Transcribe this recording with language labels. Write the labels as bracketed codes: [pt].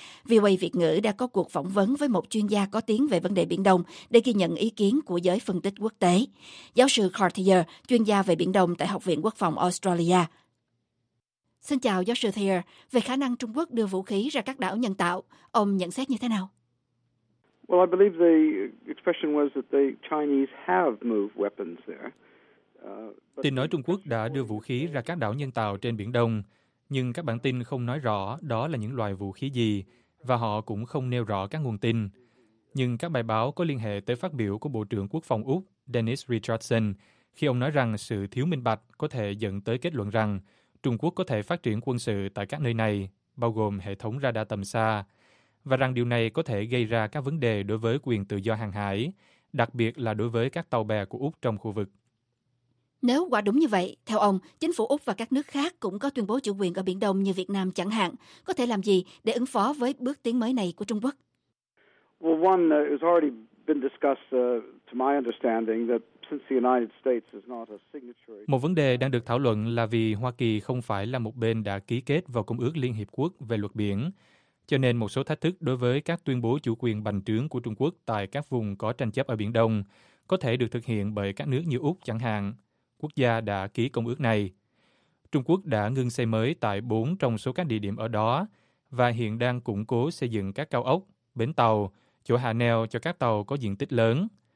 [vi] VOA Việt ngữ đã có cuộc phỏng vấn với một chuyên gia có tiếng về vấn đề Biển Đông để ghi nhận ý kiến của giới phân tích quốc tế. Giáo sư Cartier, chuyên gia về Biển Đông tại Học viện Quốc phòng Australia. Xin chào giáo sư Thier. Về khả năng Trung Quốc đưa vũ khí ra các đảo nhân tạo, ông nhận xét như thế nào? [en] Well, I believe the expression was that the Chinese have moved weapons there. [vi] Tin nói Trung Quốc đã đưa vũ khí ra các đảo nhân tạo trên Biển Đông, nhưng các bản tin không nói rõ đó là những loại vũ khí gì, và họ cũng không nêu rõ các nguồn tin. Nhưng các bài báo có liên hệ tới phát biểu của Bộ trưởng Quốc phòng Úc, Dennis Richardson, khi ông nói rằng sự thiếu minh bạch có thể dẫn tới kết luận rằng Trung Quốc có thể phát triển quân sự tại các nơi này, bao gồm hệ thống radar tầm xa, và rằng điều này có thể gây ra các vấn đề đối với quyền tự do hàng hải, đặc biệt là đối với các tàu bè của Úc trong khu vực. Nếu quả đúng như vậy, theo ông, chính phủ Úc và các nước khác cũng có tuyên bố chủ quyền ở Biển Đông như Việt Nam chẳng hạn, có thể làm gì để ứng phó với bước tiến mới này của Trung Quốc? [en] Well, one has already been discussed, to my understanding, that since the United States is not a signatory. [vi] Một vấn đề đang được thảo luận là vì Hoa Kỳ không phải là một bên đã ký kết vào Công ước Liên Hiệp Quốc về luật biển, cho nên một số thách thức đối với các tuyên bố chủ quyền bành trướng của Trung Quốc tại các vùng có tranh chấp ở Biển Đông có thể được thực hiện bởi các nước như Úc chẳng hạn. Quốc gia đã ký công ước này. Trung Quốc đã ngưng xây mới tại 4 trong số các địa điểm ở đó và hiện đang củng cố xây dựng các cao ốc, bến tàu, chỗ hạ neo cho các tàu có diện tích lớn.